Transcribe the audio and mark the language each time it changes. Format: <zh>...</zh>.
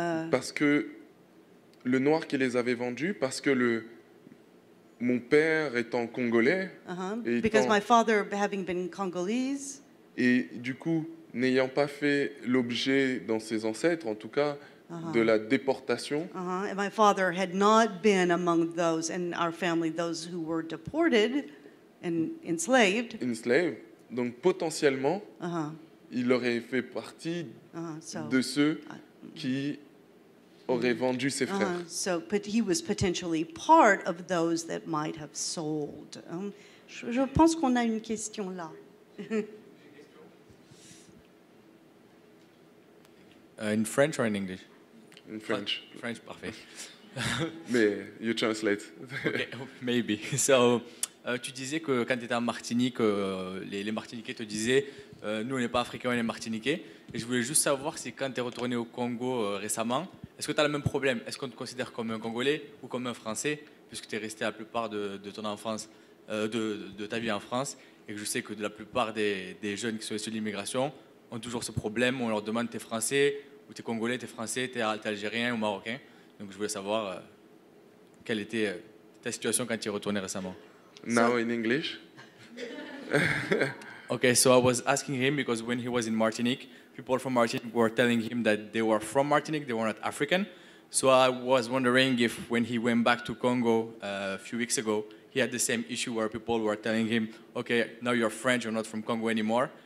<fr>Parce que le noir qui les avait vendus, parce que mon père étant congolais,</fr> <en>uh-huh. et because my father having been Congolese,</en> <fr>et du coup n'ayant pas fait l'objet dans ses ancêtres, en tout cas. Uh-huh. De la déportation. Uh-huh.</fr> <en>And my father had not been among those in our family, those who were deported and enslaved. Enslaved.</en> <fr>Donc potentiellement, uh-huh. il aurait fait partie uh-huh. so, de ceux qui auraient uh-huh. vendu ses frères. Uh-huh.</fr> <en>So, but he was potentially part of those that might have sold.</en> <fr>Je pense qu'on a une question là.</fr> <en>In French or in English? In French. French, parfait. Mais you translate. Okay, maybe. So</en> <fr>Tu disais que quand tu étais en Martinique, les Martiniquais te disaient « Nous, on n'est pas Africains, on est Martiniquais. » Et je voulais juste savoir si quand tu es retourné au Congo récemment, est-ce que tu as le même problème? Est-ce qu'on te considère comme un Congolais ou comme un Français, puisque tu es resté la plupart de ton enfance, de ta vie en France, et que je sais que de la plupart des jeunes qui sont issus de l'immigration ont toujours ce problème, on leur demande « Tu es Français ?» ou « Tu es Congolais, tu es Français, tu es Algérien ou Marocain ?» Donc je voulais savoir quelle était ta situation quand tu es retourné récemment.</fr> <en>Now in English. Okay, so I was asking him because when he was in Martinique, people from Martinique were telling him that they were from Martinique, they were not African. So I was wondering if when he went back to Congo a few weeks ago, he had the same issue where people were telling him, okay, now you're French, you're not from Congo anymore.</en>